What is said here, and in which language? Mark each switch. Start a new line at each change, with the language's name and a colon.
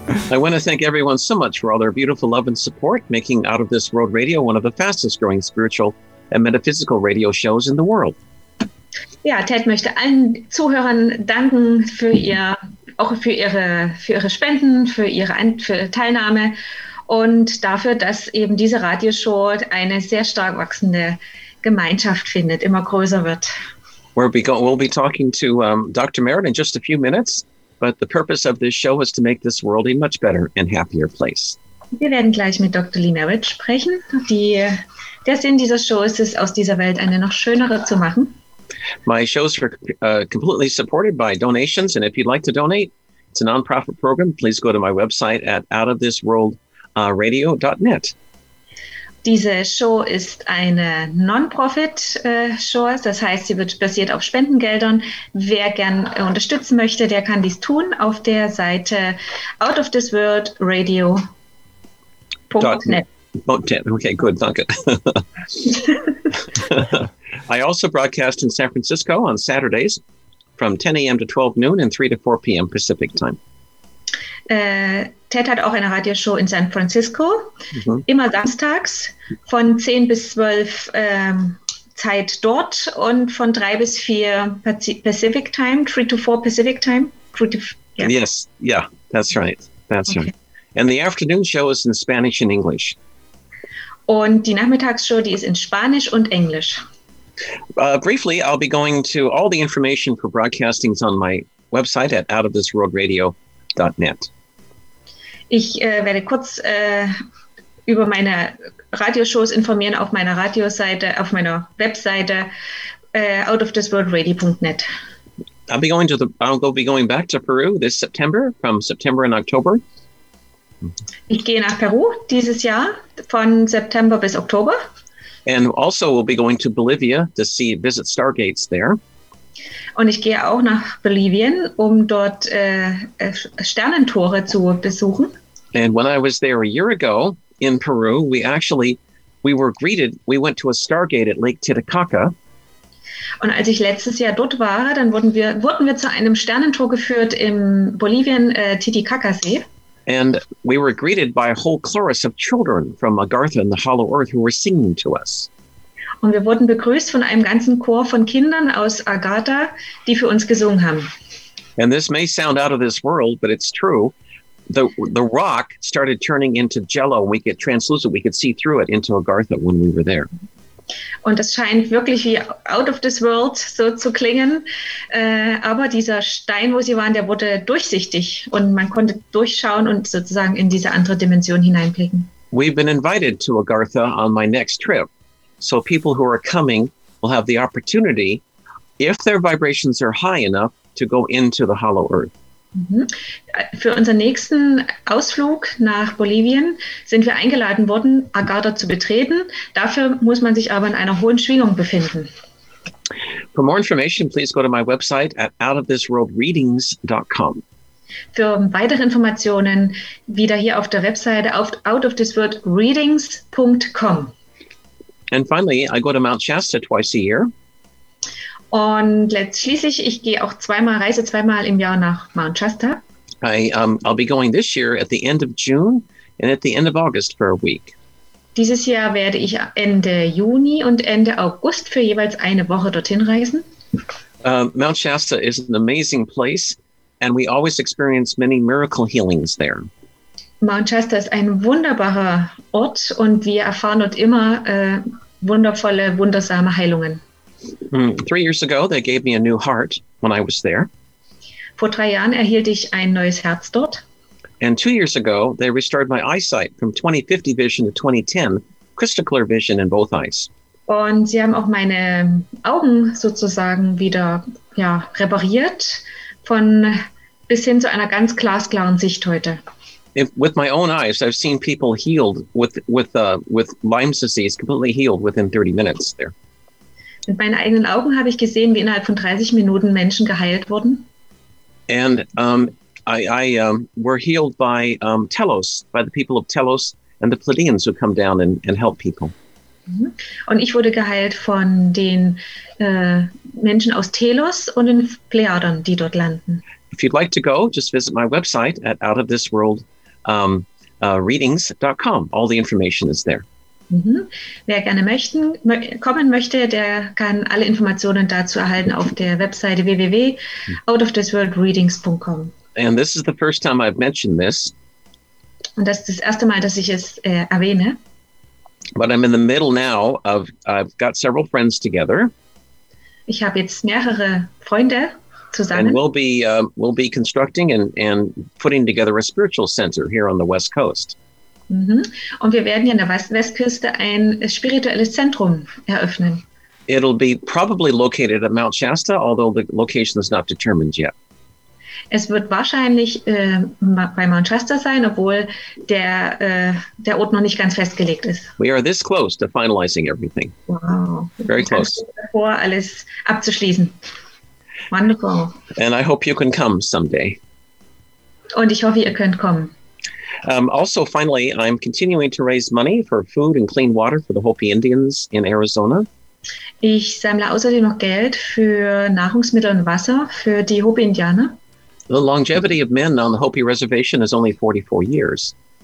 English: I want to thank everyone so much for all their beautiful love and support, making Out of This World Radio one of the fastest growing spiritual and metaphysical radio shows in the world.
German: Ja, Ted möchte allen Zuhörern danken für ihr auch für ihre Spenden, für Teilnahme. Und dafür, dass eben diese Radioshow eine sehr stark wachsende Gemeinschaft findet, immer größer wird.
English: We'll be talking to Dr. Merritt in just a few minutes, but the purpose of this show is to make this world a much better and happier place.
German: Wir werden gleich mit Dr. Lee Merritt sprechen. Der Sinn dieser Show ist es, aus dieser Welt eine noch schönere zu machen.
English: My shows are completely supported by donations, and if you'd like to donate, it's a non-profit program. Please go to my website at outofthisworldradio.net.
German: Diese Show ist eine Non-Profit-Show, das heißt, sie wird basiert auf Spendengeldern. Wer gern unterstützen möchte, der kann dies tun auf der Seite outofthisworldradio.net.
English: Okay, good,
German: danke.
English: I also broadcast in San Francisco on Saturdays from 10 a.m. to 12 noon and 3 to 4 p.m. Pacific time.
German: Ted hat auch eine Radioshow in San Francisco, mhm. immer samstags von 10 bis 12 Zeit dort und von 3 bis 4 Pacific Time,
English: 3 to 4 Pacific Time. Yes, yeah, that's right. That's okay. Right. And the afternoon show is in Spanish and English.
German: Und die Nachmittagsshow, die ist in Spanisch und Englisch.
English: Briefly, I'll be going to all the information for broadcasting on my website at outofthisworldradio.net.
German: Ich werde kurz über meine Radioshows informieren auf meiner Radioseite, auf meiner Webseite outofthisworldradio.net.
English: I'll be going back to Peru this September, from September and October.
German: Ich gehe nach Peru dieses Jahr von September bis Oktober.
English: And also we'll be going to Bolivia to visit Stargates there.
German: Und ich gehe auch nach Bolivien, um dort Sternentore zu besuchen.
English: And when I was there a year ago in Peru, we went to a Stargate at Lake Titicaca.
German: Und als ich letztes Jahr dort war, dann wurden wir zu einem Sternentor geführt in Bolivien, Titicacasee.
English: And we were greeted by a whole chorus of children from Agartha and the Hollow Earth who were singing to us.
German: Und wir wurden begrüßt von einem ganzen Chor von Kindern aus Agartha, die für uns gesungen haben.
English: And this may sound out of this world, but it's true. The rock started turning into jello. We get translucent. We could see through it into Agartha when we were there.
German: Und das scheint wirklich wie out of this world so zu klingen. Aber dieser Stein, wo sie waren, der wurde durchsichtig und man konnte durchschauen und sozusagen in diese andere Dimension hineinblicken.
English: We've been invited to Agartha on my next trip. So people who are coming will have the opportunity, if their vibrations are high enough, to go into the Hollow Earth.
German: Für unseren nächsten Ausflug nach Bolivien sind wir eingeladen worden, Agartha zu betreten. Dafür muss man sich aber in einer hohen Schwingung befinden.
English: For more information, please go to my website at outofthisworldreadings.com.
German: Für weitere Informationen wieder hier auf der Webseite auf outofthisworldreadings.com.
English: And finally, I go to Mount Shasta twice a year.
German: Und schließlich, ich gehe auch reise zweimal im Jahr nach Mount Shasta.
English: I'll be going this year at the end of June and at the end of August for a week.
German: Dieses Jahr werde ich Ende Juni und Ende August für jeweils eine Woche dorthin reisen.
English: Mount Shasta is an amazing place and we always experience many miracle healings there.
German: Mount Shasta ist ein wunderbarer Ort und wir erfahren dort immer wundervolle, wundersame Heilungen.
English: 3 years ago, they gave me a new heart when I was there.
German: Vor 3 Jahren erhielt ich ein neues Herz dort.
English: And 2 years ago, they restored my eyesight from 20/50 vision to 20/10, crystal clear vision in both eyes.
German: Und sie haben auch meine Augen sozusagen wieder repariert, von bis hin zu einer ganz glasklaren Sicht heute.
English: With my own eyes, I've seen people healed with Lyme's disease, completely healed within 30 minutes there.
German: Mit meinen eigenen Augen habe ich gesehen, wie innerhalb von 30 Minuten Menschen geheilt wurden.
English: And were healed by the people of Telos and the Pleiadians who come down and help people.
German: Und ich wurde geheilt von den Menschen aus Telos und den Pleiadern, die dort landen.
English: If you'd like to go, just visit my website at outofthisworldreadings.com. All the information is there.
German: Wer gerne kommen möchte, der kann alle Informationen dazu erhalten auf der Webseite www.outofthisworldreadings.com.
English: And this is the first time I've mentioned this.
German: Und das ist das erste Mal, dass ich es erwähne.
English: But I'm in the middle now of I've got several friends together.
German: Ich habe jetzt mehrere Freunde zusammen.
English: And we'll be constructing and putting together a spiritual center here on the West Coast.
German: Und wir werden ja an der Westküste ein spirituelles Zentrum eröffnen.
English: It'll be probably located at Mount Shasta, although the location is not determined yet.
German: Es wird wahrscheinlich bei Mount Shasta sein, obwohl der Ort noch nicht ganz festgelegt ist.
English: We are this close to finalizing everything. Wow. Very close.
German: Davor, alles abzuschließen.
English: Wonderful. And I hope you can come someday.
German: Und ich hoffe, ihr könnt kommen.
English: Also, finally, I'm continuing to raise money for food and clean water for the Hopi Indians in Arizona.
German: Ich sammle außerdem noch Geld für Nahrungsmittel und Wasser für die Hopi Indianer.
English: The longevity of men on the Hopi Reservation is only 44 years.